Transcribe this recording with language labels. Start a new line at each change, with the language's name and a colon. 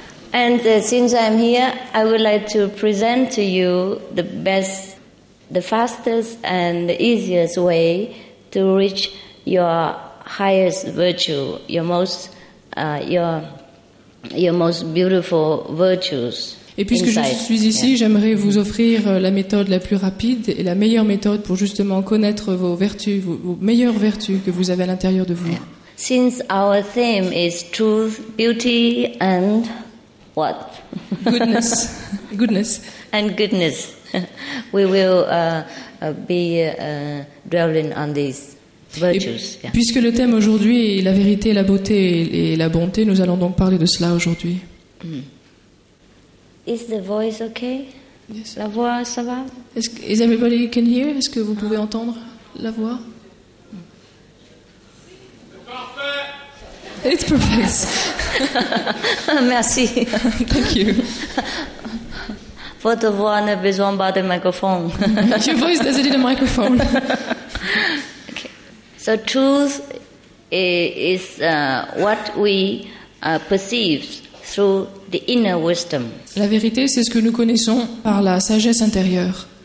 English: And since I'm here, I would like to present to you the best, the fastest, and the easiest way to reach your highest virtue, your most beautiful virtues.
French: Et puisque
English: inside.
French: Je suis ici, yeah. J'aimerais vous offrir la méthode la plus rapide et la meilleure méthode pour justement connaître vos vertus, vos meilleures vertus que vous avez à l'intérieur de vous.
English: Yeah. Since our theme is truth, beauty, and what? Goodness. And goodness. We will be dwelling on these virtues.
French: Et puisque le thème aujourd'hui est la vérité, la beauté et la bonté, nous allons donc parler de cela aujourd'hui.
English: Is the voice okay? Yes.
French: La voix, ça va?
English: Is everybody can hear?
French: Est-ce que vous pouvez entendre la voix?
English: It's perfect.
French: Merci.
English: Thank you.
French: Votre voix n'a besoin pas de microphone.
English: Your voice doesn't need a microphone. Okay. So truth is what we perceive through the inner wisdom.
French: La vérité, c'est ce que nous connaissons par la sagesse intérieure.